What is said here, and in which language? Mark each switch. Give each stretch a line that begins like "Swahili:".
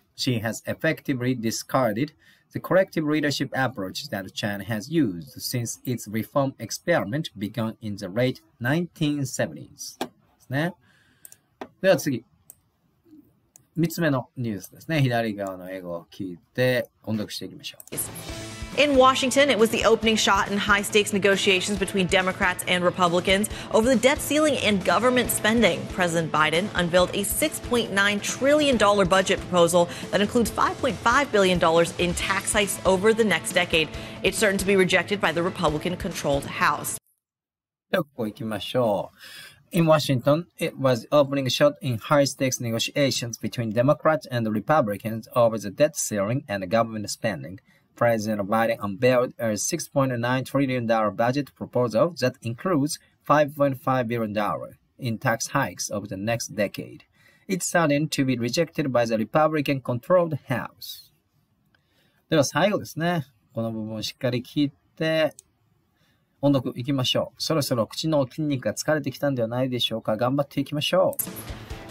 English: Xi has effectively discarded the collective leadership approach that China has used since its reform experiment began in the late 1970s.
Japanese: ですね。では次、三つ目のニュースですね。左側の英語を聞いて音読していきましょう。
English: In Washington, it was the opening shot in high-stakes negotiations between Democrats and Republicans over the debt ceiling and government spending. President Biden unveiled a $6.9 trillion budget proposal that includes $5.5 billion in tax hikes over the next decade. It's certain to be rejected by the Republican-controlled House.
Japanese: ではここ行きましょう。
English: In Washington, it was the opening shot in high-stakes negotiations between Democrats and Republicans over the debt ceiling and government spending. President Biden unveiled a $6.9 trillion budget proposal that includes $5.5 billion in tax hikes over the next decade. It's starting to be rejected by the Republican-controlled House.
Japanese: では最後ですね。この部分をしっかり聞いて音読いきましょう。そろそろ口の筋肉が疲れてきたんではないでしょうか。頑張っていきましょう。